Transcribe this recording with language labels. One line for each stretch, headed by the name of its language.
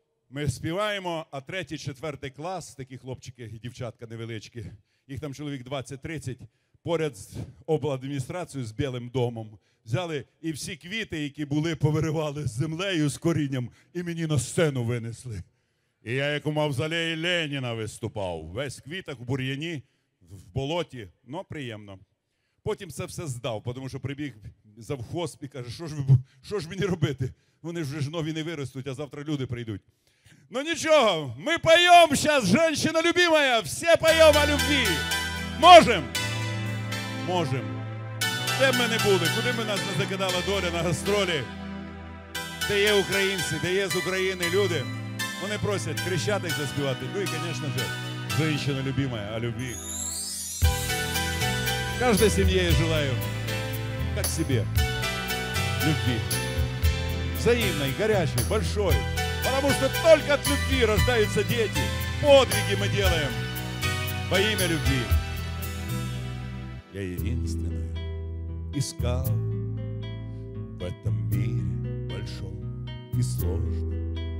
Ukrainian: Ми співаємо, а третій, четвертий клас, такі хлопчики і дівчатка невеличкі, їх там чоловік 20-30, поряд з обладміністрацією, з Білим домом, взяли і всі квіти, які були, повиривали з землею, з корінням, і мені на сцену винесли. І я, як у мавзолеї Леніна, виступав. Весь квіток у бур'яні, в болоті, ну, приємно. Потім це все здав, тому що прибіг завхоз і каже, що ж мені робити? Вони ж вже нові не виростуть, а завтра люди прийдуть. Ну нічого,
Russian: ми поем сейчас, женщина любимая, все поем о любви. Можем? Можем.
Ukrainian: Де б ми не були, куди б нас не закидала доля на гастролі? Де є українці, де є з України люди? Вони просять Хрещатик заспівати, ну і, звісно ж,
Russian: женщина любимая о любви. Каждой семье я желаю, как себе, любви. Взаимной, горячей, большой. Потому что только от любви рождаются дети. Подвиги мы делаем во имя любви. Я единственное искал в этом мире большом и сложном.